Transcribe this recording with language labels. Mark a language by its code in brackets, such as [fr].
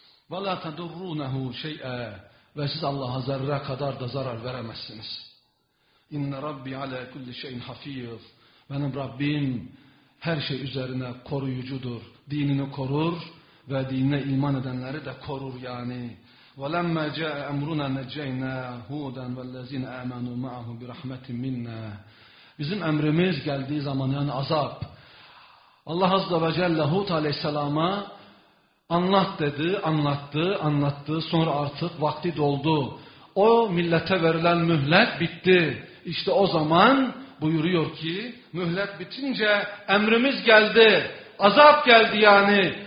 [ar] وَلَا تَدُرُّونَهُ شَيْئًا [tr] Ve siz Allah'a zerre kadar da zarar veremezsiniz. [ar] اِنَّ رَبِّي عَلَى كُلِّ شَيْءٍ حَف۪يظٍ [tr] Benim Rabbim her şey üzerine koruyucudur. Dinini korur ve dinine iman edenleri de korur yani. [ar] وَلَمَّا جَاءَ اَمْرُنَا نَجَّيْنَا هُودًا وَالَّذ۪ينَ اَمَنُوا مَعَهُ بِرَحْمَةٍ مِنَّا [tr] Bizim emrimiz geldiği zaman yani azap. Allah Azze ve Celle Hud Aleyhisselam'a anlat dedi, anlattı, sonra artık vakti doldu. O millete verilen mühlet bitti. İşte o zaman buyuruyor ki, mühlet bitince emrimiz geldi, azap geldi yani.